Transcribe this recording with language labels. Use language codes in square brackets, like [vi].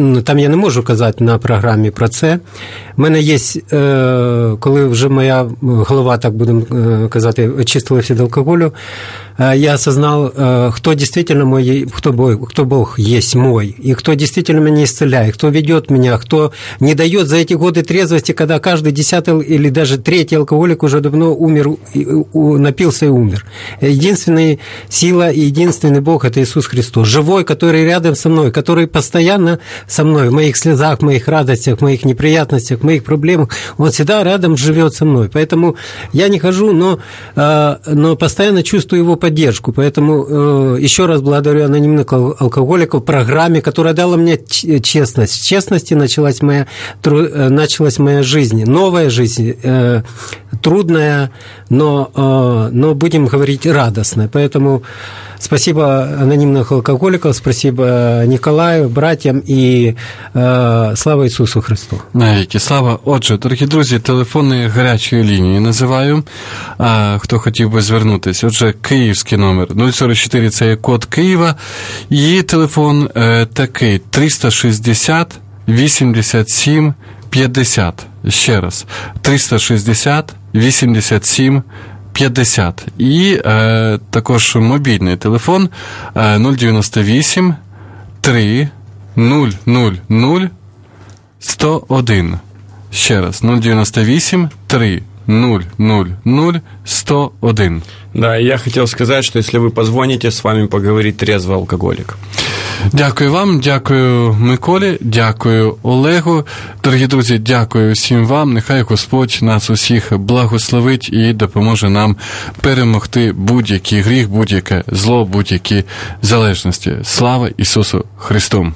[uk] Там я не можу казати на програмі про це. У мене є, коли вже моя голова, так будемо казати, очистилася від алкоголю, я осознав, хто дійсно мій, хто Бог є мій, і хто дійсно мене зціляє, хто веде мене, хто не дає за ці роки трезвості, коли кожен десятий или навіть третій алкоголік уже давно умер, напився і умер. Єдина сила і єдиний Бог – це Ісус Христос, живий, який рядом зі мною, який постоянно [ru] со мной, в моих слезах, в моих радостях, в моих неприятностях, в моих проблемах, он всегда рядом живет со мной. Поэтому я не хожу, но постоянно чувствую его поддержку. Поэтому еще раз благодарю анонимных алкоголиков, программе, которая дала мне честность. С честности началась моя жизнь, новая жизнь, трудная, но будем говорить радостная. Поэтому спасибо анонимных алкоголиков, спасибо Николаю, братьям и слава Ісусу Христу. [uk] Навіки, слава. Отже, дорогі друзі, телефонні гарячі лінії називаю, хто хотів би звернутися. Отже, київський номер 044, це є код Києва, і телефон такий 360-87-50. Ще раз, 360-87-50. 50. І також мобільний телефон 098-3-0-0-0-101. Ще раз, 098-3-0-0-0-101. [ru] Да, я хотел сказать, что если вы позвоните, с вами поговорит трезвый алкоголик. [uk] Дякую вам, дякую Миколі, дякую Олегу. Дорогі друзі, дякую всім вам. Нехай Господь нас усіх благословить і допоможе нам перемогти будь-який гріх, будь-яке зло, будь-які залежності. Слава Ісусу Христу!